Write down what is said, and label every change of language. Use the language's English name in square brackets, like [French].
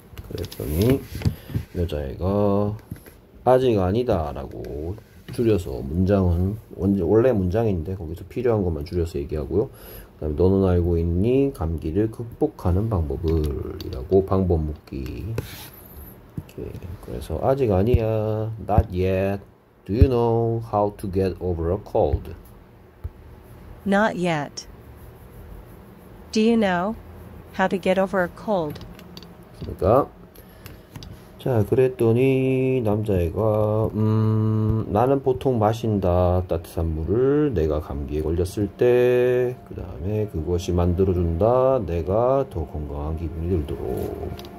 [Korean] 그랬더니 여자애가 아직 아니다라고 줄여서 문장은 원래 문장인데 거기서 필요한 것만 줄여서 얘기하고요. 그다음에 너는 알고 있니? 감기를 극복하는 방법을 이라고 방법 묻기. 그래서 아직 아니야. [English] Not yet. Do you know how to get over a cold? Not yet. Do you know how to get over a cold? [Korean] 그러니까 자, 그랬더니 남자애가 나는 보통 마신다. 따뜻한 물을 내가 감기에 걸렸을 때 그다음에 그것이 만들어 준다. 내가 더 건강한 기분이 들도록.